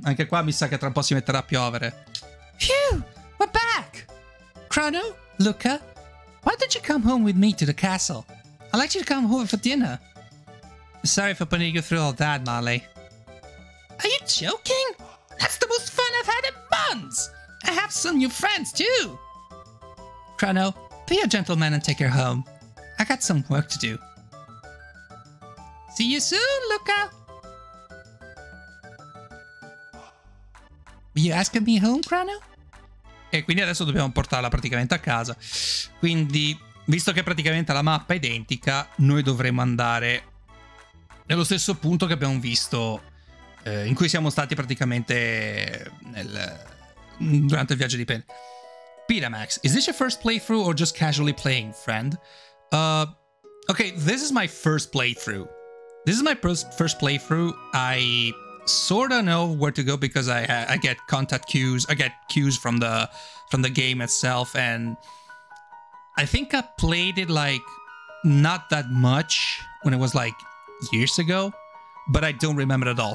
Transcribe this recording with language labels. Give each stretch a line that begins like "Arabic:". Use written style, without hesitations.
Italian: Anche qua mi sa che tra un po' si metterà a piovere.
English: Phew, we're back! Chrono, Luca, why don't you come home with me to the castle? I'd like you to come over for dinner. Sorry for putting you through all that, Marley. Are you joking? That's the most fun I've had in months! I have some new friends, too! Chrono, be a gentleman and take her home. I got some work to do. See you soon, Luca! Are you asking me home, Chrono?
Italian: E quindi adesso dobbiamo portarla praticamente a casa. Quindi, visto che praticamente la mappa è identica, noi dovremo andare nello stesso punto che abbiamo visto, in cui siamo stati praticamente durante il viaggio di Pen.
English: Pyramax, is this your first playthrough or just casually playing, friend? Okay, this is my first playthrough. This is my first playthrough. I sort of know where to go because I get contact cues. I get cues from the game itself, and I think I played it like not that much when it was like years ago, but I don't remember it at all.